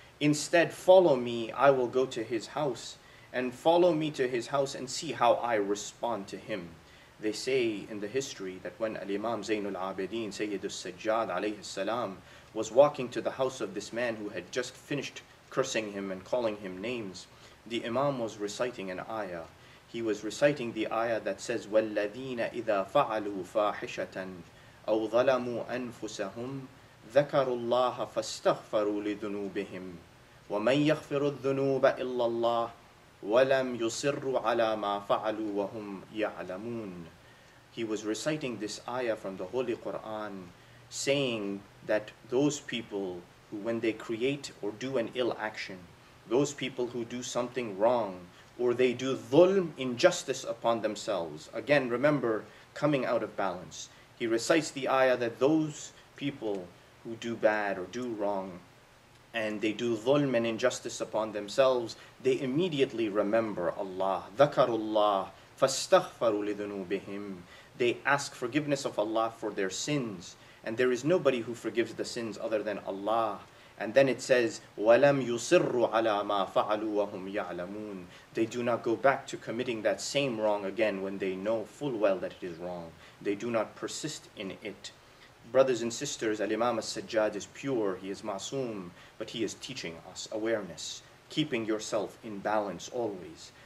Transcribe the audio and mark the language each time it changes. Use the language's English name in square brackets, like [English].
[English] Instead, follow me, I will go to his house, and follow me to his house and see how I respond to him. They say in the history that when Al-Imam Zainul Abidin, Sayyidus Sajjad alayhi salam, was walking to the house of this man who had just finished cursing him and calling him names, the Imam was reciting an ayah. He was reciting the ayah that says, [Arabic] وَالَّذِينَ إِذَا فَعَلُوا فَاحِشَةً أَوْ ظَلَمُوا أَنفُسَهُمْ ذَكَرُوا اللَّهَ فَاسْتَغْفَرُوا لِذُنُوبِهِمْ وَمَنْ يَغْفِرُ الذُّنُوبَ إِلَّا اللَّهِ وَلَمْ يُصِرُّوا عَلَى مَا فَعَلُوا وَهُمْ يَعْلَمُونَ. [English] He was reciting this ayah from the Holy Quran, saying that those people who, when they create or do an ill action, those people who do something wrong, or they do dhulm, injustice upon themselves, again, remember, coming out of balance, he recites the ayah that those people who do bad or do wrong, and they do dhulm and injustice upon themselves, they immediately remember Allah. [Arabic] Dhakarullah, fastaghfaru lidhunubihim. [English] They ask forgiveness of Allah for their sins. And there is nobody who forgives the sins other than Allah. And then it says, [Arabic] وَلَمْ يُصِرُّ عَلَىٰ مَا فَعَلُوا وَهُمْ يَعْلَمُونَ. [English] They do not go back to committing that same wrong again when they know full well that it is wrong. They do not persist in it. Brothers and sisters, Al-Imam As-Sajjad is pure, he is masoom, but he is teaching us awareness, keeping yourself in balance always.